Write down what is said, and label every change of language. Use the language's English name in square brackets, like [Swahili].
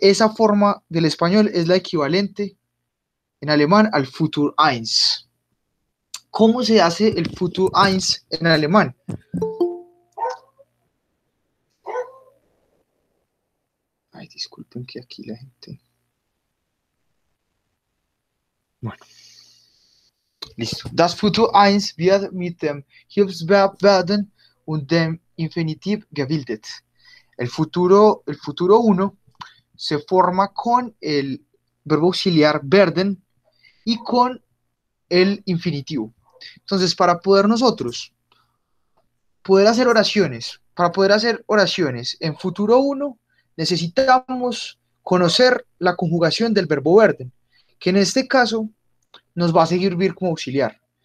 [Spanish] Esa forma del español es la equivalente en alemán al futuro 1. ¿Cómo se hace el futuro 1 en alemán? Ay, disculpen que aquí la gente. Bueno. Listo. [German] Das Futur 1 wird mit dem Hilfsverb werden und dem Infinitiv gebildet. [Spanish] El futuro 1 se forma con el verbo auxiliar werden y con el infinitivo. Entonces, para poder nosotros poder hacer oraciones, para poder hacer oraciones en futuro 1, necesitamos conocer la conjugación del verbo werden, que en este caso nos va a servir como auxiliar.